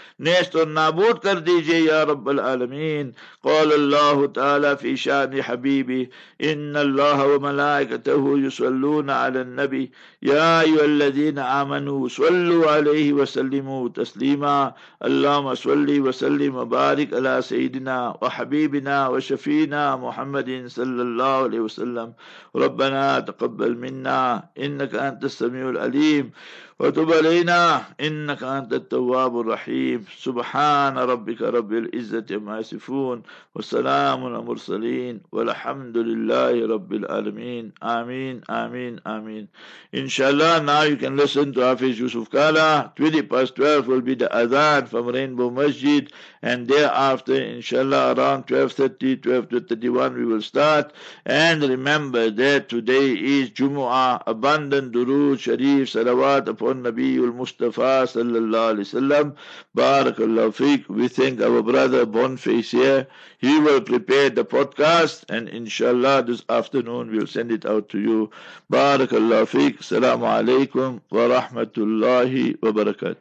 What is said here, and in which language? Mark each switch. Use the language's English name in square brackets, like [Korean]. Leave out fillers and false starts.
[Urdu] نیست اور نابود کر دیجئے [Arabic] یا رب العالمین قال اللہ تعالی فی شان حبیبی ان اللہ و ملائکته یصلون علی النبی یا ایوہ الذین آمنوا صلوا علیہ وسلموا تسلیما اللہم صلی وسلم بارک علی سیدنا و حبیبنا و شفینا محمد صلی اللہ علیہ وسلم ربنا تقبل منا انک انت السمیع العلیم وتب علينا إنك أنت التواب الرحيم سبحان ربك رب العزة عما يصفون وسلام على المرسلين والحمد لله رب العالمين آمين آمين آمين [English] Inshallah, now you can listen to Hafiz Yusuf Kala. 12:20 will be the Adhan from Rainbow Masjid. And thereafter, inshallah, around 12:30, 12:31, we will start. And remember that today is Jumu'ah. Abundant Durood Sharif Salawat upon Nabiul Mustafa Sallallahu Alaihi Wasallam. Barakallahu Fiqh. We thank our brother Bonface here. He will prepare the podcast. And inshallah, this afternoon, we will send it out to you. [Arabic] Barakallahu Fiqh. السلام عليكم ورحمة الله وبركاته